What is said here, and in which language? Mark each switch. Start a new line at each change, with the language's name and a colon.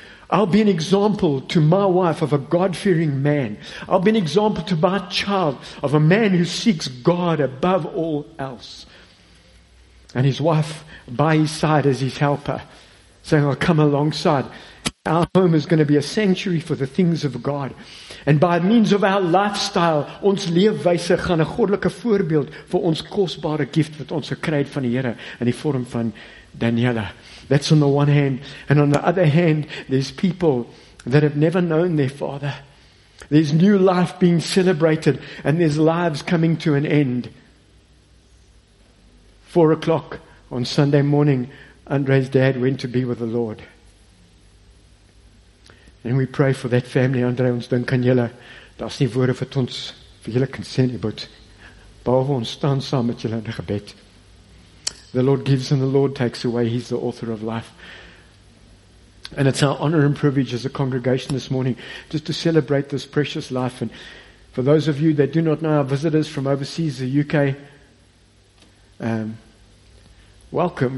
English: I'll be an example to my wife of a God-fearing man. I'll be an example to my child of a man who seeks God above all else." And his wife by his side as his helper, saying, "I'll come alongside. Our home is going to be a sanctuary for the things of God. And by means of our lifestyle,
Afrikaans: ons leefwyse gaan 'n goddelike voorbeeld vir ons kosbare gift wat ons gekry het van die Here in die vorm van Daniela."
English: That's on the one hand. And on the other hand, there's people that have never known their father. There's new life being celebrated and there's lives coming to an end. 4 o'clock on Sunday morning, Andre's dad went to be with the Lord. And we pray for that family.
Afrikaans: Andre, ons dink aan julle. Daar's nie woorde wat ons vir julle kan sê nie, but behalwe ons staan saam met julle in die gebed.
English: The Lord gives and the Lord takes away. He's the author of life. And it's our honor and privilege as a congregation this morning just to celebrate this precious life. And for those of you that do not know, our visitors from overseas, the UK, welcome.